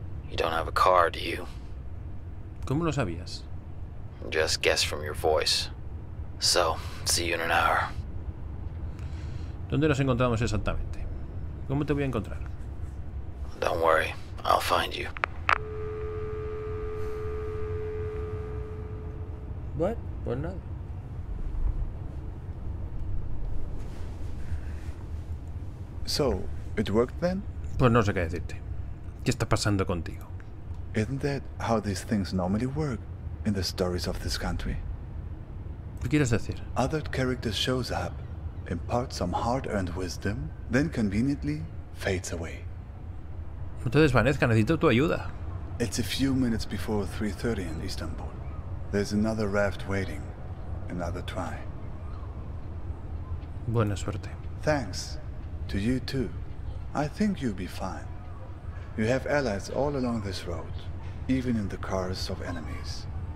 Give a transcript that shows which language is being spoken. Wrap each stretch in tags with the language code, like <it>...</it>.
<en>You don't have a car, do you?</en> <es>¿Cómo lo sabías?</es> <en>Just guess from your voice. So, see you in an hour.</en> <es>¿Dónde nos encontramos exactamente? ¿Cómo te voy a encontrar?</es> <en>Don't worry, I'll find you.</en> <es>What? Pues nada.</es> <en>So, it worked then?</en> <es>Pues no sé qué decirte. ¿Qué está pasando contigo?</es> <en>Isn't that how these things normally work in the stories of this country?</en> <es>¿Qué quieres decir?</es> <en>Other characters shows up, impart some hard-earned wisdom, then conveniently fades away.</en> <es>No te desvanezca, necesito tu ayuda.</es> <en>It's a few minutes before 3:30 in Istanbul. There's another raft waiting. Another try.</en> <es>Buena suerte.</es> <en>Thanks. To you too. I think you'll be fine. You have allies all along this road, even in the cars of enemies.</en>